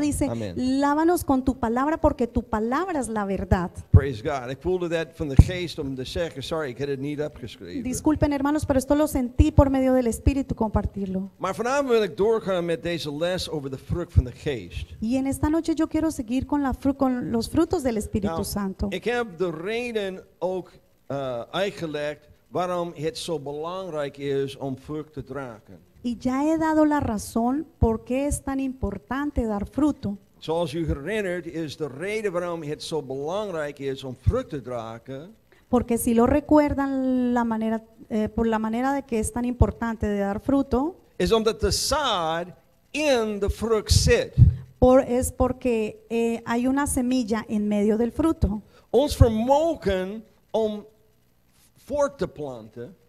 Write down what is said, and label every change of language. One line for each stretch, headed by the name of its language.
Spanish: Dice, lávanos con tu palabra porque tu palabra es la verdad.
English: Praise God. I pulled that from the
Dutch: geest om te zeggen,
English: sorry, I had it need up
Dutch: geschreven.
Spanish: Disculpen hermanos, pero esto lo sentí por medio del Espíritu compartirlo.
Dutch: Maar vanavond wil ik doorgaan met deze les over de vrucht van de geest.
Spanish: Y en esta noche yo quiero seguir con los frutos del Espíritu
English: Now,
Spanish: Santo.
Dutch: Ik heb de reden ook uitgelegd. Waarom het zo belangrijk is om vrucht te dragen.
Spanish: Y ya he dado la razón por qué es tan importante dar fruto.
Dutch: Zoals u herinnert is de reden waarom het zo belangrijk is om vrucht te dragen.
Spanish: Porque si lo recuerdan la manera, por la manera de que es tan importante de dar fruto.
Dutch: Is omdat de zaad in de vrucht zit.
Spanish: Es porque hay una semilla en medio del fruto.
Dutch: Ons vermogen om voort te planten.